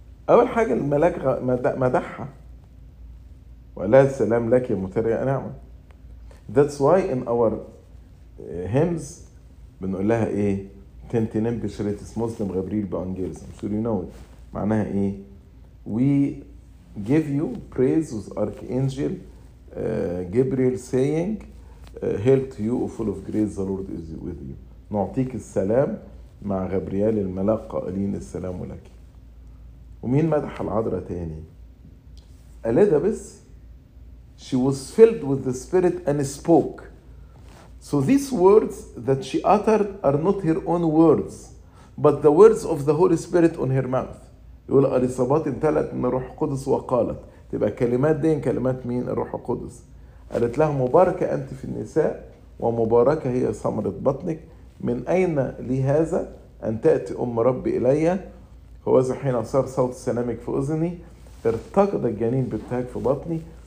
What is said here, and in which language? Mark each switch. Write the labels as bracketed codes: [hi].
[ar] أول حاجة الملاك مدحها وقالها السلام لك يا متريا نعمة. [en] That's why in our hymns [ar] بنقول لها إيه؟ [cop] تنتنم بشريتس مسلم غبريل بانجيلز. [en] I'm sure you know it. [ar] معناها إيه؟ [en] We give you praise with Archangel Gabriel saying Hail to you, O full of grace, the Lord is with you. [ar] نعطيك السلام مع غبريال الملاك قائلين السلام لك. ومين مدح العذراء تاني؟ إليزابيث. [en] She was filled with the Spirit and spoke. So these words that she uttered are not her own words, but the words of the Holy Spirit on her mouth. [ar] يقول إليصابات امتلأت من الروح القدس وقالت. تبقى كلمات دي كلمات مين؟ الروح القدس. قالت لها مباركة أنت في النساء ومباركة هي ثمرة بطنك. من أين لهذا أن تأتي أم ربي إلي؟ هوذا حين صار صوت سلامك في أذني ارتقد الجنين بالتهاج في بطني.